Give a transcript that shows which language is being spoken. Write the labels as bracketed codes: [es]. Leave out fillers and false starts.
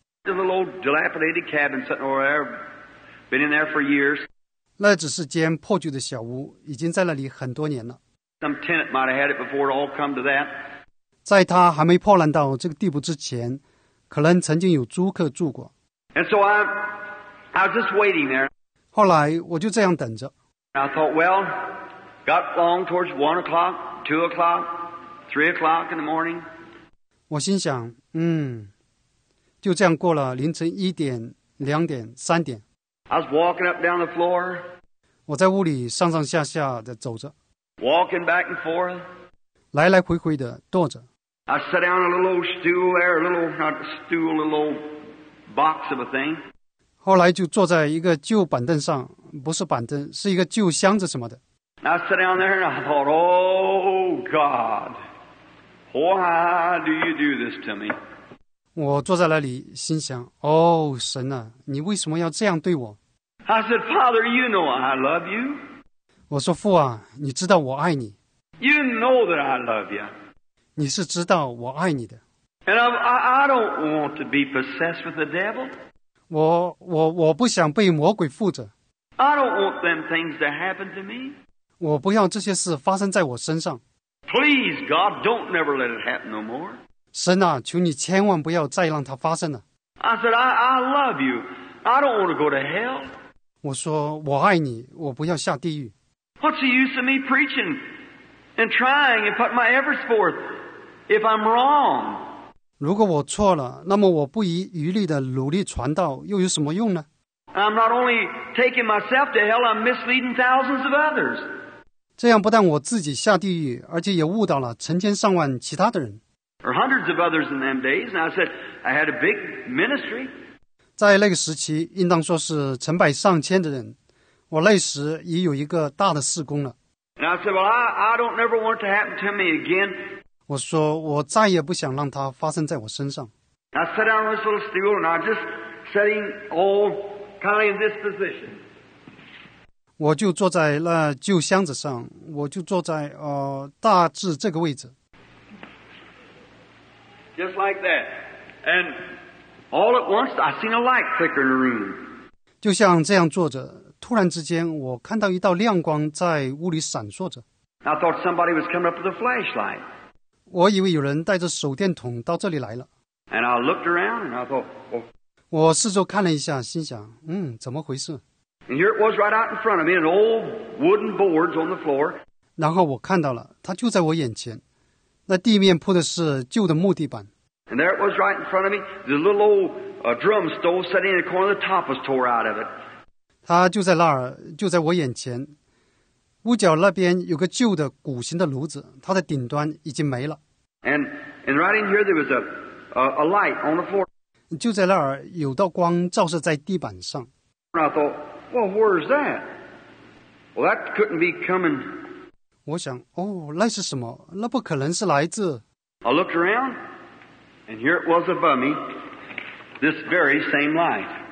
[en] A little old dilapidated cabin sitting over there, been in there for years. [zh] 那只是间破旧的小屋，已经在那里很多年了。 [en] Some tenant might have had it before it all come to that. [zh] 在他还没破烂到这个地步之前，可能曾经有租客住过。 [en] And so I was just waiting there. [zh] 后来我就这样等着。 [en] I thought, well, got long towards 1 o'clock, 2 o'clock, 3 o'clock in the morning. [zh] 我心想，就这样过了凌晨1点、2点、3点。 [en] I was walking up down the floor. [zh] 我在屋里上上下下的走着。 [en] Walking back and forth. [zh] 来来回回的跺着。 [en] I sat down on a little old stool there, a little box of a thing. [zh] 后来就坐在一个旧板凳上，不是板凳，是一个旧箱子什么的。 [en] I sat down there and I thought, Oh God, why do you do this to me? [zh] 我坐在那里心想，哦，神啊，你为什么要这样对我？ [en] I said, Father, you know I love you. [zh] 我说，父啊，你知道我爱你。 [en] You know that I love you. [zh] 你是知道我爱你的。 [en] And I don't want to be possessed with the devil. [zh] 我不想被魔鬼附着。 [en] I don't want them things to happen to me. [zh] 我不要这些事发生在我身上。 [en] Please, God, don't never let it happen no more. [zh] 神啊，求你千万不要再让它发生了。 [en] I said, I love you. I don't want to go to hell. [zh] 我说，我爱你，我不要下地狱。 [en] What's the use of me preaching and trying and putting my efforts forth if I'm wrong? [zh] 如果我错了，那么我不遗余力的努力传道又有什么用呢？ [en] I'm not only taking myself to hell, I'm misleading thousands of others. [zh] 这样不但我自己下地狱，而且也误导了成千上万其他的人。 [en] Or hundreds of others in them days, and I said I had a big ministry. [zh] 在那个时期，应当说是成百上千的人。我那时已有一个大的事工了。 [en] And I said, Well, I don't ever want it to happen to me again. [zh] 我说我再也不想让它发生在我身上。 [en] I sat down on this little stool, and I just sitting all kind of in this position. [zh] 我就坐在那旧箱子上，我就坐在大致这个位置。 [en] Just like that. And all at once, I seen a light flicker in the room. [zh] 就像这样坐着，突然之间我看到一道亮光在屋里闪烁着。 [en] I thought somebody was coming up with a flashlight. [zh] 我以为有人带着手电筒到这里来了。 [en] And I looked around and I thought, well, [zh] 我四周看了一下，心想，怎么回事？ [en] And here it was right out in front of me, an old wooden boards on the floor. [zh] 然后我看到了，它就在我眼前。那地面铺的是旧的木地板。 [en] And there it was right in front of me, the little old drum stove sitting in the corner, the top was tore out of it. [zh] 它就在那儿，就在我眼前。屋角那边有个旧的鼓形的炉子，它的顶端已经没了。 [en] And right in here there was a light on the floor. [zh] 就在那儿有道光照射在地板上。 [en] And I thought, well, where is that? Well, that couldn't be coming... [zh] 我想，哦，那是什么？那不可能是来自。 [en] I looked around, and here it was above me, this very same light.